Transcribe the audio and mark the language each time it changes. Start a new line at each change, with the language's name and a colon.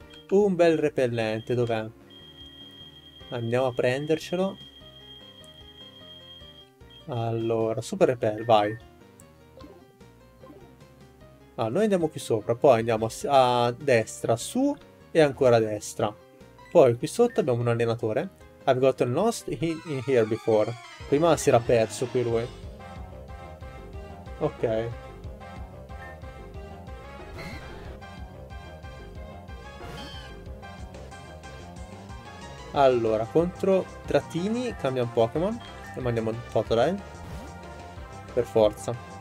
Italian: Un bel repellente, dov'è? Andiamo a prendercelo. Allora, Super Repel, vai. Ah, noi andiamo qui sopra, poi andiamo a destra, su e ancora a destra. Poi qui sotto abbiamo un allenatore.
English: I've gotten lost in here before.
Italian: Prima si era perso qui lui. Ok. Allora, contro Dratini cambiamo Pokémon e mandiamo Totodile. Per forza.